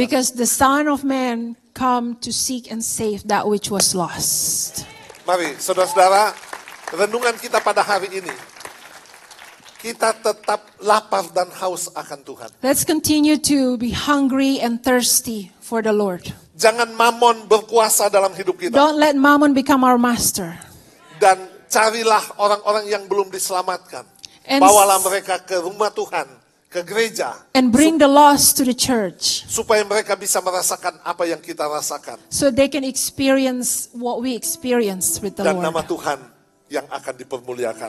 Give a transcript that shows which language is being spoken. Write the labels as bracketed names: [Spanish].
[English] Because the Son of Man come to seek and save that which was lost. [Indonesian] Mari, saudara-saudara, renungan kita pada hari ini. Kita tetap lapar dan haus akan Tuhan. [English] Let's continue to be hungry and thirsty for the Lord. [Indonesian] Jangan mamon berkuasa dalam hidup kita. [English] Don't let mamon become our master. [Indonesian] Dan carilah orang-orang yang belum diselamatkan. Bawalah mereka ke rumah Tuhan, ke gereja. [English] And bring the lost to the church. [Indonesian] Supaya mereka bisa merasakan apa yang kita rasakan. [English] So they can experience what we experience with the [Indonesian] dan [English] Lord. [Indonesian] Dan nama Tuhan yang akan dipermuliakan.